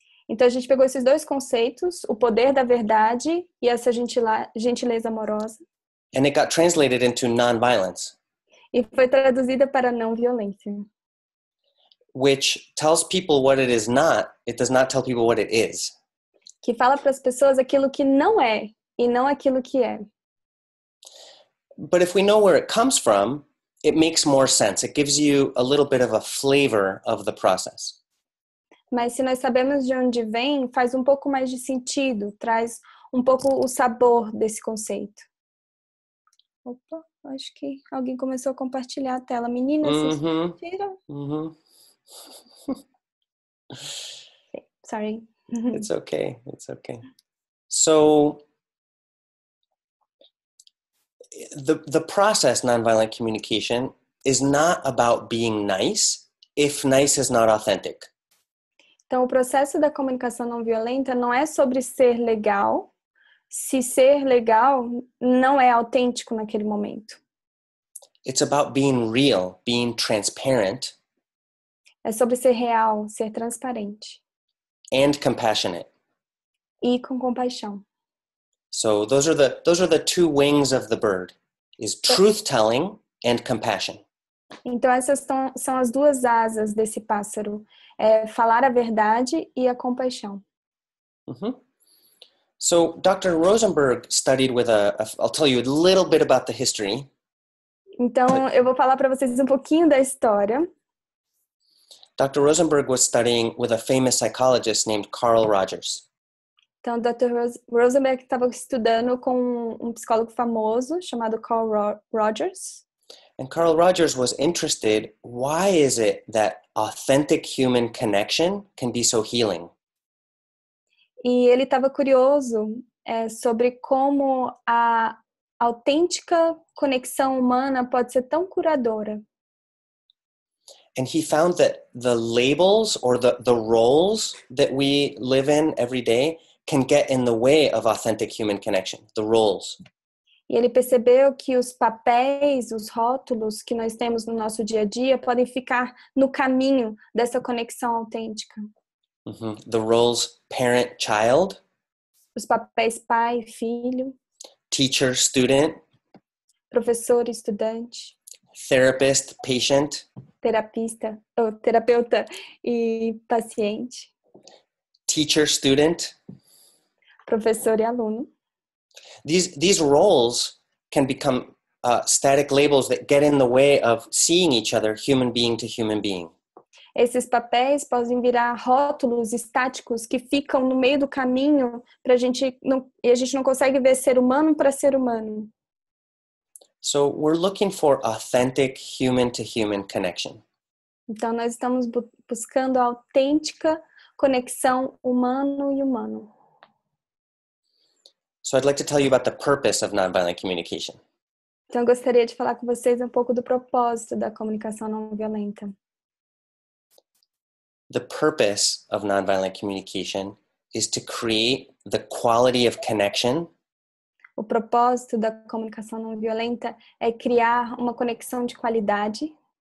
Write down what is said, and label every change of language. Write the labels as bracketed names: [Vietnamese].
[Portuguese] Então a gente pegou esses dois conceitos, o poder da verdade e essa gentileza amorosa. [English] And it got translated into non-violence. [Portuguese] E foi traduzida para não-violência. [English] Which tells people what it is not, it does not tell people what it is. [Portuguese] Que fala para as pessoas aquilo que não é e não aquilo que é. [English] But if we know where it comes from, it makes more sense. It gives you a little bit of a flavor of the process. [Portuguese] Mas se nós sabemos de onde vem, faz um pouco mais de sentido, traz um pouco o sabor desse conceito. Opa, acho que alguém começou a compartilhar a tela. Meninas, vocês viram? Uhum. [English] Sorry. It's okay, it's okay. So, the process, nonviolent communication, is not about being nice, if nice is not authentic. [Portuguese] Então, o processo da comunicação não violenta não é sobre ser legal, se ser legal não é autêntico naquele momento. [English] It's about being real, being transparent. [Portuguese] É sobre ser real, ser transparente. [English] And compassionate. [Portuguese] E com compaixão. [English] So, those are the two wings of the bird, is truth-telling and compassion. [Portuguese] Então, essas são as duas asas desse pássaro. É falar a verdade e a compaixão. [English] Uhum. So, Dr. Rosenberg studied with I'll tell you a little bit about the history. [Portuguese] Então, eu vou falar para vocês um pouquinho da história. [English] Dr. Rosenberg was studying with a famous psychologist named Carl Rogers. [Portuguese] Então, Dr. Rosenberg estava estudando com um psicólogo famoso chamado Carl Rogers. [English] And Carl Rogers was interested, why is it that authentic human connection can be so healing? [Portuguese] E ele estava curioso sobre como a autêntica conexão humana pode ser tão curadora. [English] And he found that the labels or the roles that we live in every day can get in the way of authentic human connection, the roles. [Portuguese] E ele percebeu que os papéis, os rótulos que nós temos no nosso dia a dia podem ficar no caminho dessa conexão autêntica. [English] Uh-huh. The roles parent-child. [Portuguese] Os papéis pai-filho. [English] Teacher-student. [Portuguese] Professor-estudante. [English] Therapist-patient. [Portuguese] Terapeuta e paciente. [English] Teacher-student. [Portuguese] Professor e aluno. [English] These roles can become static labels that get in the way of seeing each other, human being to human being. [Portuguese] Esses papéis podem virar rótulos estáticos que ficam no meio do caminho pra gente não, e a gente não consegue ver ser humano para ser humano. [English] So we're looking for authentic human to human connection. [Portuguese] Então nós estamos buscando a autêntica conexão humano e humano. [English] So I'd like to tell you about the purpose of nonviolent communication. [Portuguese] Então eu gostaria de falar com vocês um pouco do propósito da comunicação não violenta. [English] The purpose of nonviolent communication is to create the quality of connection. [Portuguese] O propósito da comunicação não violenta é criar uma conexão de qualidade.